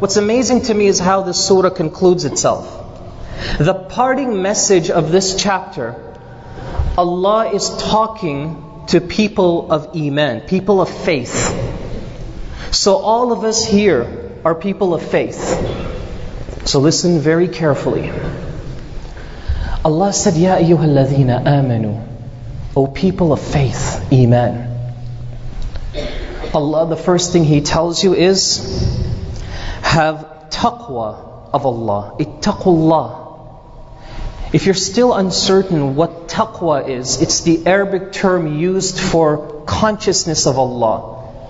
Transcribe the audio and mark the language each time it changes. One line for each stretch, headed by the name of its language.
English: What's amazing to me is how this surah concludes itself. The parting message of this chapter, Allah is talking to people of Iman, people of faith. So all of us here are people of faith. So listen very carefully. Allah said,
Arabic: يَا أَيُّهَا الَّذِينَ آمَنُوا.
English: O people of faith, Iman. Allah, the first thing He tells you is, have taqwa of Allah.
Arabic: اتَّقُوا اللَّهِ.
English: If you're still uncertain what taqwa is, it's the Arabic term used for consciousness of Allah.